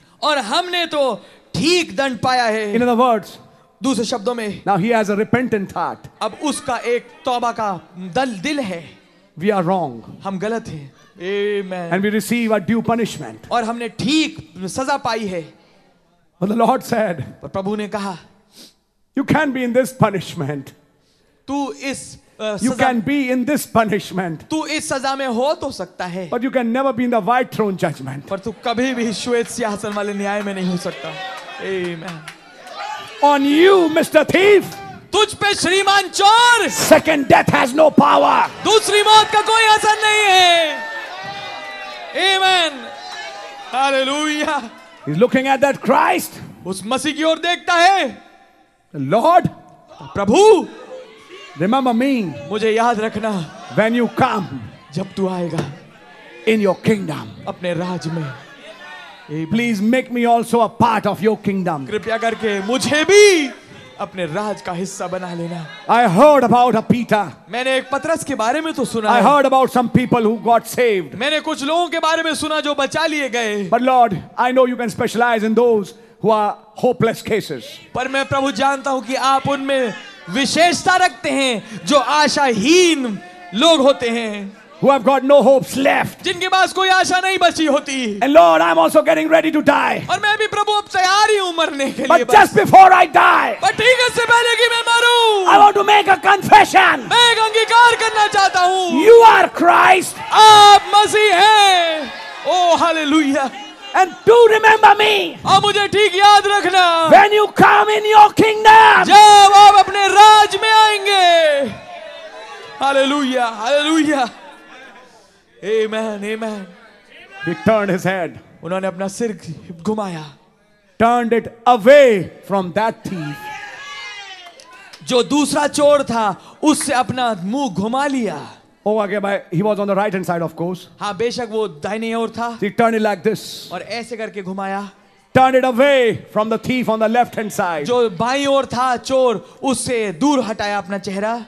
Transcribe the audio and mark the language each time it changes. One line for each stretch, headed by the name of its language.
Hindi: और हमने तो ठीक दंड पाया है.
English: In other words.
Hindi: दूसरे शब्दों में.
English: Now he has a repentant heart.
Hindi: अब उसका एक तौबा का दिल है.
English: We are wrong.
Hindi: हम गलत हैं. Amen.
English: And we receive a due punishment.
Hindi: और हमने ठीक सजा पाई है.
English: But the Lord said.
Hindi: पर प्रभु ने कहा.
English: You can be in this punishment.
Hindi: तू इस
English: You can be in this punishment.
Hindi: तू इस सजा में हो तो सकता है.
English: But you can never be in the white throne judgment.
Hindi: पर तू कभी भी श्वेत सिंहासन वाले न्याय में नहीं हो सकता.
English: Amen. On you, Mr. Thief.
Hindi: तुझ पे श्रीमान चोर.
English: Second death has no power.
Hindi: दूसरी मौत का कोई असर नहीं है.
English: Amen. Hallelujah. He's looking at that Christ.
Hindi: उस मसीह की ओर देखता है.
English: Lord.
Hindi: प्रभु.
English: Remember me.
Hindi: मुझे याद रखना.
English: When you come.
Hindi: जब तू आएगा.
English: In your kingdom.
Hindi: अपने राज में.
English: Please make me also a part of your kingdom.
Hindi: कृपया करके मुझे भी अपने राज का हिस्सा बना लेना.
English: I heard about a Peter.
Hindi: मैंने एक पतरस के बारे में तो सुना.
English: I heard about some people who got saved.
Hindi: मैंने कुछ लोगों के बारे में सुना जो बचा लिए गए.
English: But Lord, I know you can specialize in those who are hopeless cases.
Hindi: पर मैं प्रभु जानता हूँ कि आप उनमें विशेषता रखते हैं जो आशाहीन लोग होते हैं.
English: Who have got no hopes left.
Hindi: जिनके पास कोई आशा नहीं बची होती.
English: And Lord, I'm also getting ready to die.
Hindi: और मैं भी प्रभु अब तैयार ही हूँ मरने के लिए.
English: But just before I die.
Hindi: पर ठीक इससे पहले कि मैं मरूं.
English: I want to make a confession.
Hindi: मैं एक अंगीकार करना चाहता हूँ.
English: You are Christ.
Hindi: आप मसीह हैं. Oh hallelujah.
English: And do remember me.
Hindi: और मुझे ठीक याद रखना.
English: When you come in your kingdom.
Hindi: जब आप अपने राज में आएंगे. Hallelujah. Hallelujah.
English: Amen, amen. He turned his head.
Hindi: उन्होंने अपना सिर घुमाया.
English: Turned it away from that thief.
Hindi: जो दूसरा चोर था उससे अपना मुंह घुमा लिया.
English: Oh, okay, but he was on the right hand side, of course.
Hindi: हाँ, बेशक वो दाहिने ओर था.
English: He turned it like this.
Hindi: और ऐसे करके घुमाया.
English: Turned it away from the thief on the left hand side.
Hindi: जो बाईं ओर था चोर उससे दूर हटाया अपना चेहरा.